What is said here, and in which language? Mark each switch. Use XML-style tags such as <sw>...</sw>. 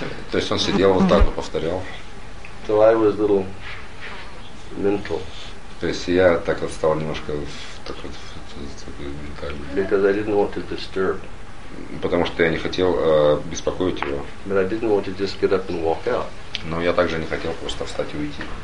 <ru>То есть он сидел вот так и повторял.</ru> <en>So I was a little mental.</en> <ru>То есть я так вот стал немножко такой ментальный.</ru> <en>Because I didn't want to disturb.</en> <ru>Потому что я не хотел беспокоить его.</ru> <en>But I didn't want to just get up and walk out.</en> <ru>Но я также не хотел просто встать и уйти.</ru>